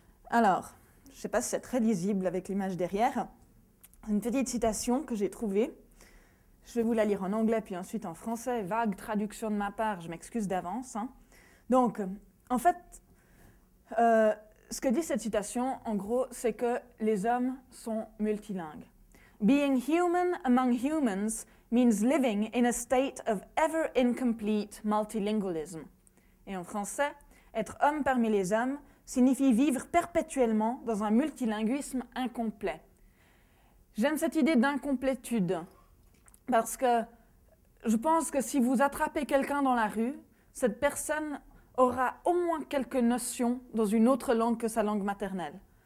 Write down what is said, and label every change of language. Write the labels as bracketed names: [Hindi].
[French] Alors... Je ne sais pas si c'est très lisible avec l'image derrière. Une petite citation que j'ai trouvée. Je vais vous la lire en anglais, puis ensuite en français. Vague traduction de ma part, je m'excuse d'avance. Hein. Donc, en fait, ce que dit cette citation, en gros, c'est que les hommes sont multilingues. [English] Being human among humans means living in a state of ever incomplete multilingualism. [French] Et en français, être homme parmi les hommes signifie vivre perpétuellement dans un multilinguisme incomplet. J'aime cette idée d'incomplétude, parce que je pense que si vous attrapez quelqu'un dans la rue, cette personne aura au moins quelques notions dans une autre langue que sa langue maternelle.